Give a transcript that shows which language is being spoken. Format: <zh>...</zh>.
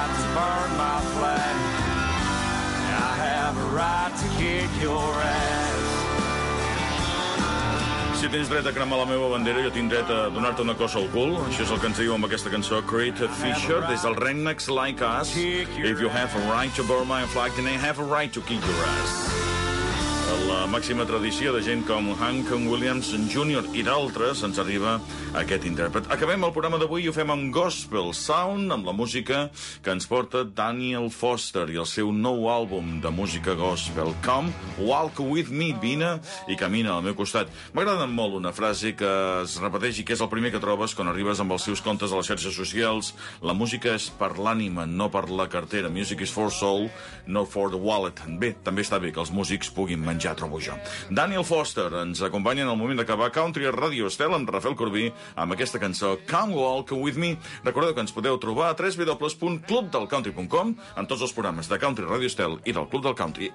<en>Burn my flag, and I have a right to kick your ass.</en> <ca>Si tens dret a cremar la meva bandera, jo tinc dret a donar-te una cosa al cul. Això és el que ens diu amb aquesta cançó, Creator Fisher, des del Rednecks Like Us.</ca> <en>If you have a right to burn my flag, then I have a right to kick your ass.</en> <ca>La màxima tradició de gent com Hank Williams Jr. i d'altres ens arriba aquest intèrpret. Acabem el programa d'avui i ho fem amb Gospel Sound, amb la música que ens porta Daniel Foster i el seu nou àlbum de música gospel, Come Walk With Me, vine i camina al meu costat. M'agrada molt una frase que es repeteix i que és el primer que trobes quan arribes amb els seus comptes a les xarxes socials. La música és per l'ànima, no per la cartera.</ca> <en>Music is for soul, not for the wallet.</en> <ca>Bé, també està bé que els músics puguin menjar, trobo jo. Daniel Foster ens acompanya en el moment d'acabar Country Radio Estel amb Rafael Corbí amb aquesta cançó Come Walk With Me. Recordeu que ens podeu trobar a www.clubdelcountry.com amb tots els programes de Country Radio Estel i del Club del Country.</ca>